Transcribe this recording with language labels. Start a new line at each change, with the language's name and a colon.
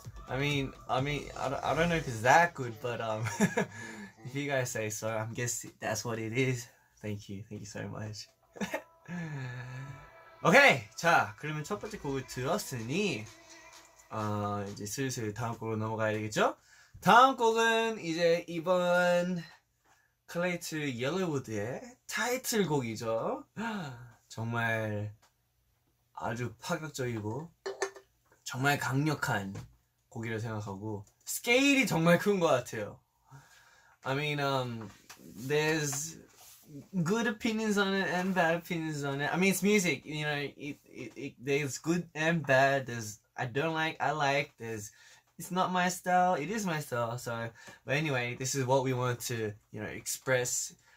English: I mean, I don't know if it's that good, but if you guys say so, I'm guessing that's what it is. Thank you so much.
Korean: Okay, 자, 그러면 첫 번째 곡을 들었으니 이제 슬슬 다음 곡으로 넘어가야 되겠죠? 다음 곡은 이제 이번 Clay to Yellowwood의 타이틀곡이죠. 정말 아주 파격적이고 정말 강력한 곡이라고 생각하고 스케일이 정말 큰 것 같아요.
English: I mean, there's good opinions on it and bad opinions on it. I mean, it's music, you know. There's good and bad. There's I don't like, I like. There's it's not my style. It is my style. So, but anyway, this is what we want to, you know, express.